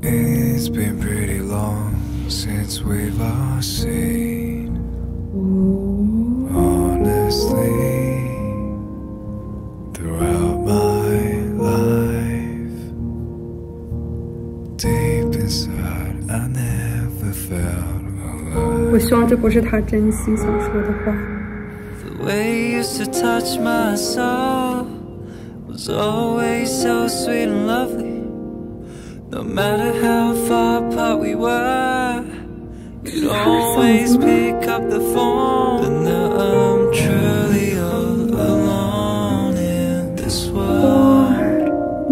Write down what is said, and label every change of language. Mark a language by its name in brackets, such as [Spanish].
[English] It's been pretty long since we've last seen. Honestly, throughout my life, deep inside, I never felt. [Chinese] 我希望这不是他真心想说的话。 [English] The way you used to touch my soul was always so sweet and lovely. No matter how far apart we were, you'd always pick up the phone. But now I'm truly all alone in this world.